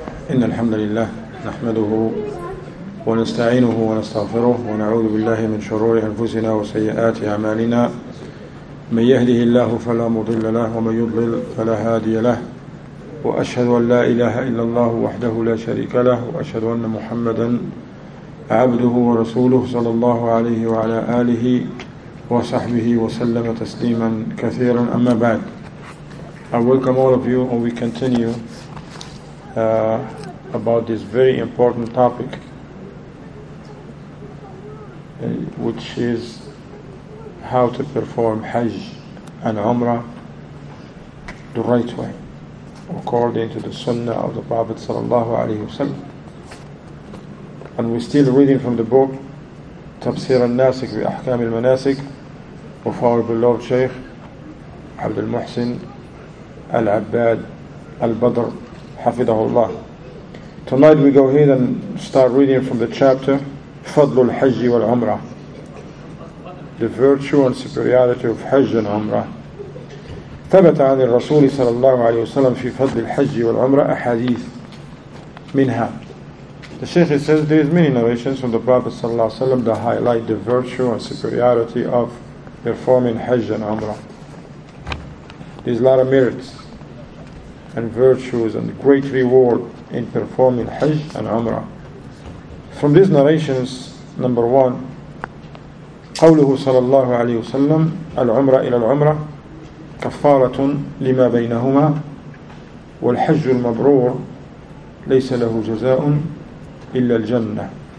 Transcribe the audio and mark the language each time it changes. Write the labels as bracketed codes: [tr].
[ar] إن الحمد لله نحمده ونستعينه ونستغفره ونعوذ بالله من شرور أنفسنا وسيئات أعمالنا، من يهده الله فلا مضل له ومن يضلل فلا هادي له، وأشهد أن لا إله إلا الله وحده لا شريك له، وأشهد أن محمدا عبده ورسوله صلى الله عليه وعلى آله وصحبه وسلم تسليما كثيرا. أما بعد، [en] I welcome all of you and we continue about this very important topic, which is how to perform Hajj and Umrah the right way according to the Sunnah of the Prophet sallallahu alaihi wasallam. And we're still reading from the book Tafsir al-Nasik bi Ahkam al-Manasik of our beloved Shaykh Abdul Muhsin Al-Abbad Al-Badr Hafidahullah. Tonight we go ahead and start reading from the chapter Fadlul Hajj wal Umrah, the virtue and superiority of Hajj and Umrah. [ar] ثبت عن الرسول صلى الله عليه وسلم في فضل الحج والعمرة أحاديث منها. [en] The Shaykh says there is many narrations from the Prophet صلى الله عليه وسلم that highlight the virtue and superiority of performing Hajj and Umrah. There is a lot of merits and virtues and great reward in performing Hajj and Umrah. From these narrations, number one, [ar] قوله صلى الله عليه وسلم العمرة إلى العمرة كفارة لما بينهما والحج المبرور ليس له جزاء إلا الجنة.